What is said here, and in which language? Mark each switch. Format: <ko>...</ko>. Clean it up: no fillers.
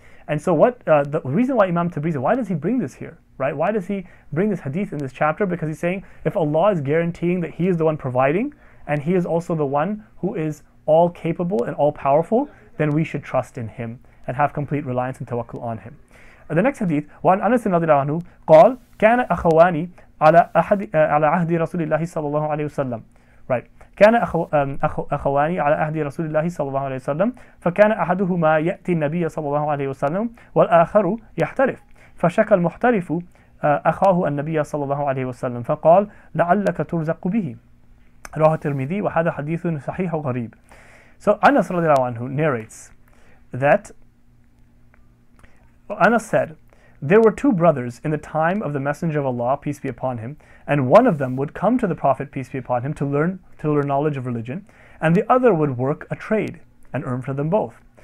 <en>And so what the reason why Imam Tabrizi, why does he bring this here, right? Why does he bring this hadith in this chapter? Because he's saying, if Allah is guaranteeing that he is the one providing, and he is also the one who is all capable and all powerful, then we should trust in him and have complete reliance and tawakkul on him. The next hadith,</en> <ar>وَعَنْ أَنَسٍ رَضِي اللَّهُ عَنْهُ قَالْ كَانَ أَخَوَانِ عَلَى عَهْدِ رَسُولِ اللَّهِ صَلَى اللَّهُ عَلَيْهُ وَسَلَّمْ Right. كان أخواني على أهدي رسول الله صلى الله عليه وسلم فكان أحدهما يأتي النبي صلى الله عليه وسلم والآخر يحترف فشكى المحترف أخاه النبي صلى الله عليه وسلم فقال لعلك ترزق به رواه الترمذي وهذا حديث صحيح غريب.</ar> <en>So Anas رضي الله عنه narrates that Anas said, there were two brothers in the time of the Messenger of Allah, peace be upon him, and one of them would come to the Prophet, peace be upon him, to learn knowledge of religion, and the other would work a trade and earn for them both.</en>